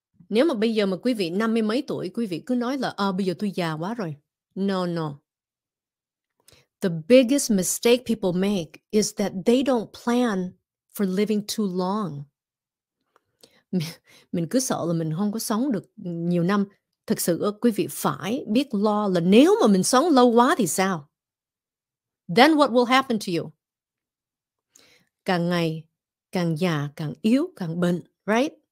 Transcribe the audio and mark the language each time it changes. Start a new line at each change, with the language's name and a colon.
Vietnamese: Nếu mà bây giờ mà quý vị 50 mấy tuổi, quý vị cứ nói là bây giờ tôi già quá rồi.
English: No, no. The biggest mistake people make is that they don't plan for living too long.
Vietnamese: Mình cứ sợ là mình không có sống được nhiều năm. Thực sự quý vị phải biết lo là nếu mà mình sống lâu quá thì sao?
English: Then what will happen to you?
Vietnamese: Càng ngày càng già, càng yếu, càng bệnh, right?